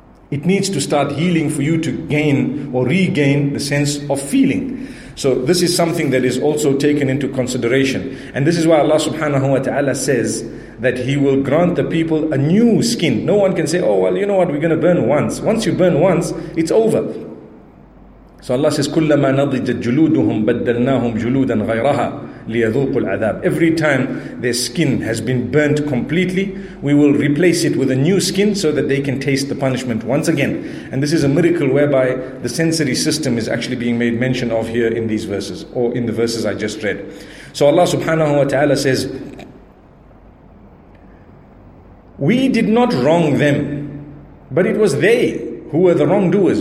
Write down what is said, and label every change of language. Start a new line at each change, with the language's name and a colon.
English: It needs to start healing for you to gain or regain the sense of feeling. So this is something that is also taken into consideration. And this is why Allah subhanahu wa ta'ala says that He will grant the people a new skin. No one can say, oh, well, you know what, we're going to burn once. Once you burn once, it's over. So Allah says,
Arabic: كُلَّمَا نَضِجَتْ جُلُودُهُمْ بَدَّلْنَاهُمْ جُلُودًا غَيْرَهَا لِيَذُوقُ الْعَذَابِ.
English: Every time their skin has been burnt completely, we will replace it with a new skin so that they can taste the punishment once again. And this is a miracle whereby the sensory system is actually being made mention of here in these verses, or in the verses I just read. So Allah subhanahu wa ta'ala says, we did not wrong them, but it was they who were the wrongdoers.